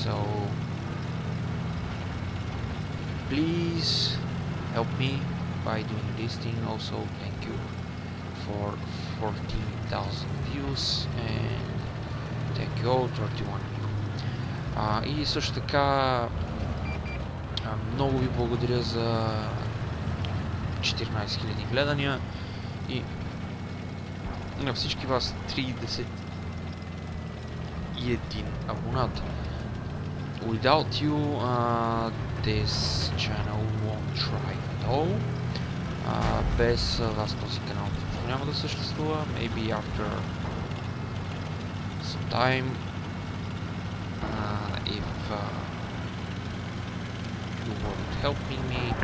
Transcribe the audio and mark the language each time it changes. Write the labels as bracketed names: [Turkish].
[English] So, please help me by doing this thing. Also, thank you for 14,000 views and thank you all 31 of you. [Bulgarian] И също така много ви благодаря за 14,000 гледания и на всички вас 31 абонат. [English] Without you this channel won't try at all. [Bulgarian] Без вас този канал няма да съществува. [English] Maybe after some time, if you weren't helping me.